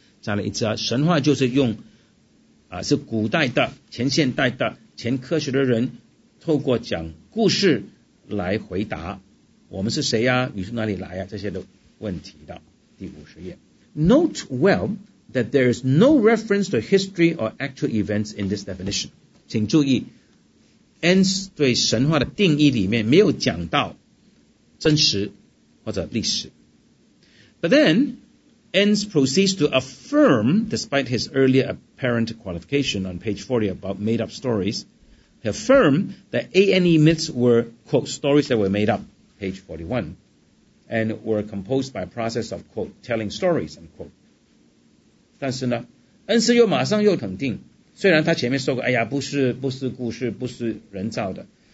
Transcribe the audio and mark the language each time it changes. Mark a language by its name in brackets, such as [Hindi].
[Chinese] 再来一次啊，神话就是用是古代的、前现代的、前科学的人透过讲故事来回答我们是谁啊、宇宙哪里来啊这些的问题的。第五十页 [English] Note well that there is no reference to history or actual events in this definition. [Chinese] 请注意Ents 对神话的定义里面没有讲到真实或者历史。 [English] But then, Ents proceeds to affirm, despite his earlier apparent qualification on page 40 about made-up stories, he affirmed that A&E myths were, quote, stories that were made up, page 41, and were composed by a process of, quote, telling stories, unquote. [Chinese] 但是呢，恩斯又马上又肯定虽然他前面说过，哎呀，不是故事，不是人造的。